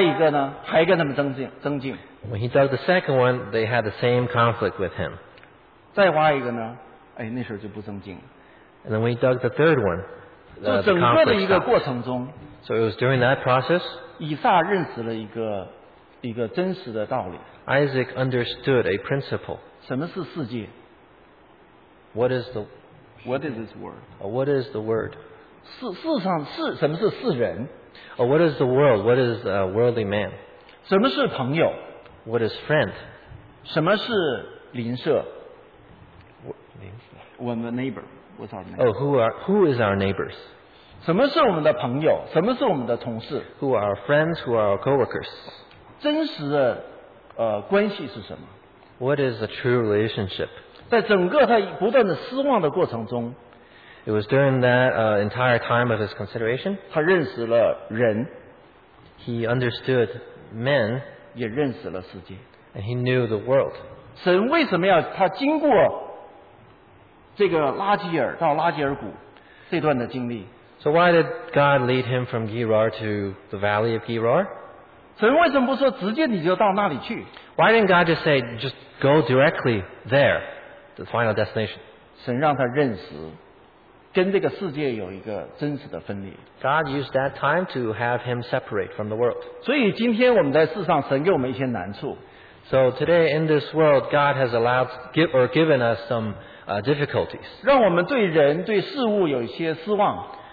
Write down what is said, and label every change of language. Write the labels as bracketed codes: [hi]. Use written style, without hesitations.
[zh] 再挖一个呢，还跟他们争竞。 [en] When he dug the second one, they had the same conflict with him. [zh] 再挖一个呢，哎，那时候就不争竞。 [en] And then when he dug the third one, the conflict stopped. So it was during that process. [zh] 以撒认识了一个真实的道理。Isaac [en] understood a principle. [zh] 什么是世界？ [en] What is this world? What is the word? [zh] 世上是什么是世人？ [en] Or what is the world? What is a worldly man? [zh] 什么是朋友？ [en] What is friend? [zh] 什么是邻舍？ [en] What is neighbor? What's our neighbor? Oh, who is our neighbors? [zh] 什么是我们的朋友？什么是我们的同事？ [en] Who are our friends? Who are our coworkers? [zh] 真实的关系是什么？ [en] What is a true relationship? [zh] 在整个他不断的失望的过程中， [en] It was during that entire time of his consideration. [zh] 他认识了人。 [en] He understood men. [zh] 也认识了世界。 [en] And he knew the world. [zh] 神为什么要他经过这个拉基尔到拉基尔谷这段的经历？ [en] So why did God lead him from Gerar to the valley of Gerar? [zh] 神为什么不说直接你就到那里去？ [en] Why didn't God just say, just go directly there, the final destination? [zh] 神让他认识， 跟这个世界有一个真实的分离。 [en] God used that time to have him separate from the world. [zh] 所以今天我们在世上，神给我们一些难处。 [en] So today in this world, God has allowed or given us some difficulties. [zh] 让我们对人对事物有些失望。